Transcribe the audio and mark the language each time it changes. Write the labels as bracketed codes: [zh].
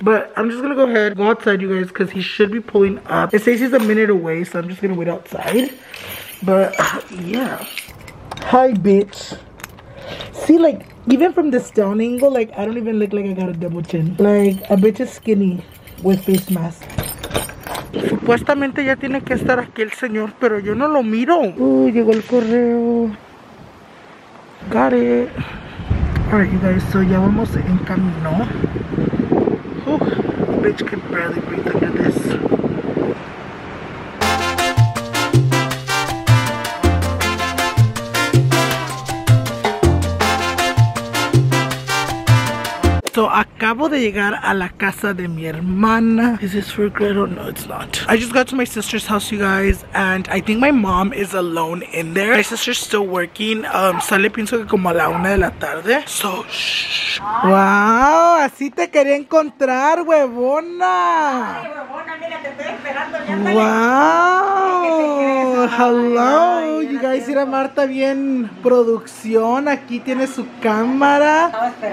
[en] But I'm just gonna go ahead, go outside, you guys, because he should be pulling up. It says he's a minute away, so I'm just gonna wait outside. But yeah, hi bitch. See, like, even from this down angle, like, I don't even look like I got a double chin. Like, a bitch is skinny with face mask. [es] Supuestamente ya tiene que estar aquí el señor, pero yo no lo miro. Llegó el correo. [en] Got it. All right, you guys, so [es] ya vamos en camino. [en] Bitch can barely breathe under this. [es] So, acabo de llegar a la casa de mi hermana. [en] Is this for Gretel? No, it's not. I just got to my sister's house, you guys, and I think my mom is alone in there. My sister's still working. [es] Sale pienso que como a la una de la tarde. [en] So, shh. [es] Wow, así te quería encontrar, huevona. [en] Wow, hello, you guys. [es] Mira, Marta, bien producción. Aquí tiene su cámara.